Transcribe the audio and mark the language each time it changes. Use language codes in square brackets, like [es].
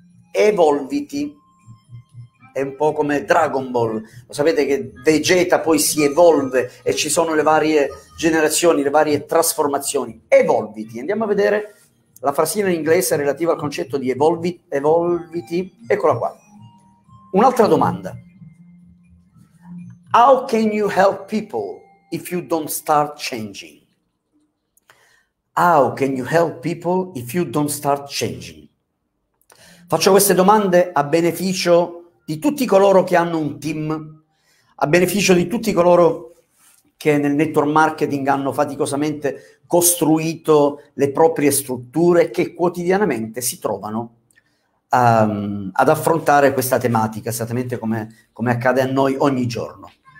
[it] Evolviti. È un po' come Dragon Ball, lo sapete che Vegeta poi si evolve e ci sono le varie generazioni, le varie trasformazioni. Evolviti, andiamo a vedere la frasina in inglese relativa al concetto di evolviti, eccola qua. Un'altra domanda. [en] How can you help people if you don't start changing? How can you help people if you don't start changing? [it] Faccio queste domande a beneficio di tutti coloro che hanno un team, a beneficio di tutti coloro che nel network marketing hanno faticosamente costruito le proprie strutture e che quotidianamente si trovano ad affrontare questa tematica, esattamente come accade a noi ogni giorno.